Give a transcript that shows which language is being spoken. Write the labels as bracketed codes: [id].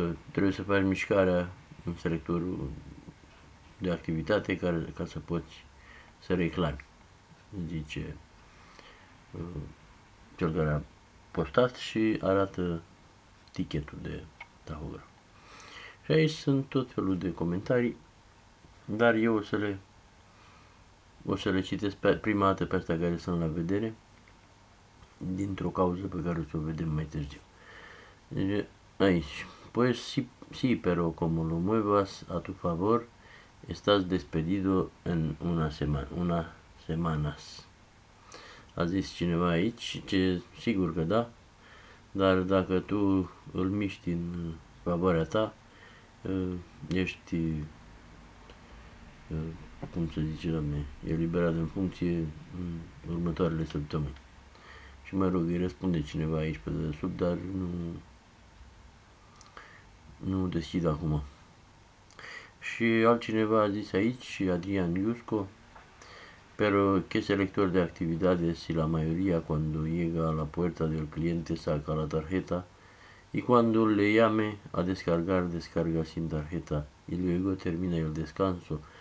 [ro] Trebuie să faci mișcarea în selectorul de activitate ca să poți să reclami, zice cel care a postat și arată tichetul de tahograf. Și aici sunt tot felul de comentarii, dar eu o să le citesc prima dată pe astea care sunt la vedere, dintr-o cauză pe care o să o vedem mai târziu. Deci, aici, [es] pues sí, pero como lo muevas a tu favor, estás despedido en una semanas. [ro] A zis cineva aici, ce sigur că da, dar dacă tu îl miști în favoarea ta, ești, cum se zice la mine, eliberat în funcție în următoarele săptămâni. Și mă rog, îi răspunde cineva aici pe dedesubt, dar nu deschid acum. Și altcineva a zis aici, și [es] Adrian Iusco: "Pero qué selector de actividades si la mayoría cuando llega a la puerta del cliente saca la tarjeta y cuando le llame a descargar descarga sin tarjeta y luego termina el descanso.